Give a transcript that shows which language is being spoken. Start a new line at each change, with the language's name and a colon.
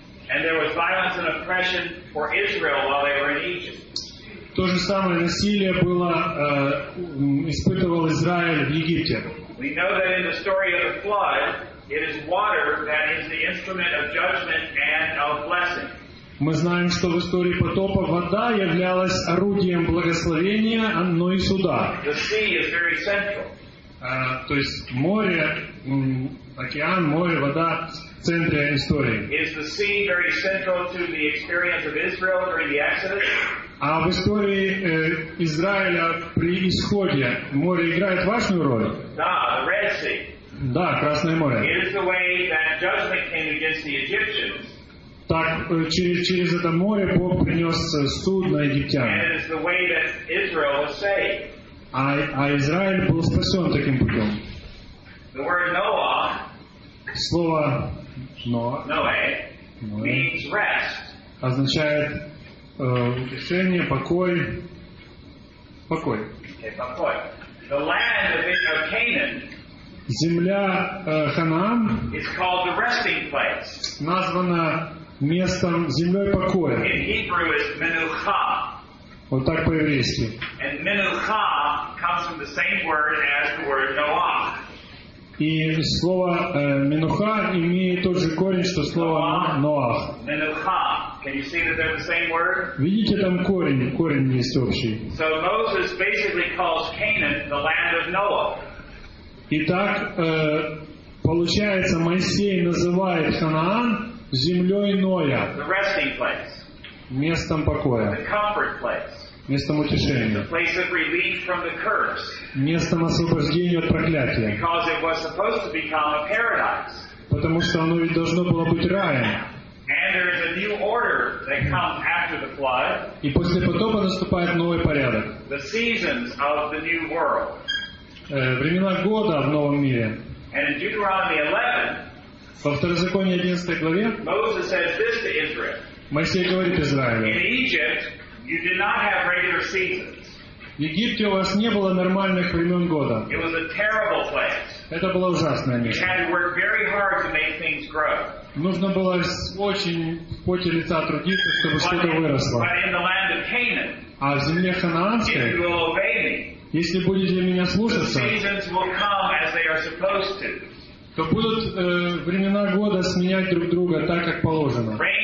English: And there was violence and oppression for Israel while they were in Egypt.
Russian: То же самое насилие было испытывал Израиль в Египте.
English: We know that in the story of the flood, it is water that is the instrument of judgment and of blessing.
Russian: Мы знаем, что в истории потопа вода являлась орудием благословения, но и суда.
English: The sea is very central.
Russian: То есть море, океан, море, вода в центре истории.
English: Is the sea very central to the experience of Israel during the Exodus?
Russian: А в истории Израиля при исходе море играет важную роль? Да,
English: the Red Sea.
Russian: Да, Красное море.
English: It is the way that judgment came against the Egyptians.
Russian: Так через это море Бог принес суд на египтян.
English: And it is the way that Israel was saved.
Russian: А Израиль был спасен таким путем.
English: The word Noah,
Russian: слово
English: Ноа means rest.
Russian: Означает утешение, покой. Покой. Покой.
English: The land of Canaan,
Russian: земля Ханаан,
English: is called the resting place.
Russian: Названа местом, землей покоя.
English: In Hebrew is Menucha.
Russian: Вот так по-еврейски.
English: And Menucha comes from the same word as the word Noah.
Russian: И слово Менуха имеет тот же корень, что слово Ноах. Менуха.
English: Can you see that they're the same word?
Russian: Видите, там корень есть общий.
English: So Moses basically calls Canaan the land of Noah.
Russian: Итак, получается, Моисей называет Ханаан землей Ноя.
English: The resting place.
Russian: Местом покоя.
English: The comfort place.
Russian: Местом утешения.
English: The place of relief from the curse.
Russian: Местом освобождения от проклятия.
English: Because it was supposed to become a paradise.
Russian: Потому что оно ведь должно было быть раем.
English: And there is a new order that comes after the flood.
Russian: И после потопа наступает новый порядок.
English: The seasons of the new world.
Russian: Времена года в новом мире.
English: And in Deuteronomy 11,
Russian: во Второзаконии 11 главе,
English: Moses says this to Israel.
Russian: Моисей говорит Израилю.
English: In Egypt, you did not have regular seasons.
Russian: В Египте у вас не было нормальных времен года.
English: It was a terrible place.
Russian: Это было ужасное место.
English: You had to work very hard to make things grow.
Russian: Нужно было очень в поте лица трудиться, чтобы что-то выросло.
English: But in the land of Canaan,
Russian: а в земле Ханаанской,
English: if you will obey me,
Russian: если будете меня слушаться,
English: the seasons will come as they are supposed to.
Russian: То будут времена года сменять друг друга так, как положено.